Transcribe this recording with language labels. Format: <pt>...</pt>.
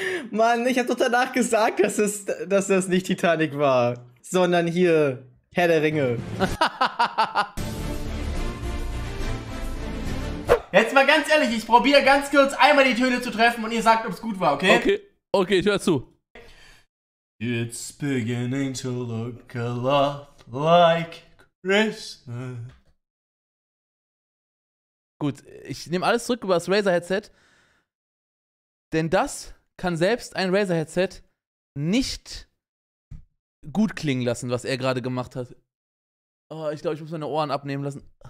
<de>Mann, ich hab doch danach gesagt, dass das nicht Titanic war, sondern hier Herr der Ringe. Jetzt mal ganz ehrlich, ich probiere ganz kurz einmal die Töne zu treffen und ihr sagt, ob es gut war, okay? Okay, ich hör zu.</de> <en>It's beginning to look a lot like Christmas.</en> <de>Gut, ich nehme alles zurück über das Razer-Headset. Denn das kann selbst ein Razer-Headset nicht gut klingen lassen, was er gerade gemacht hat. Oh, ich glaube, ich muss meine Ohren abnehmen lassen.</de>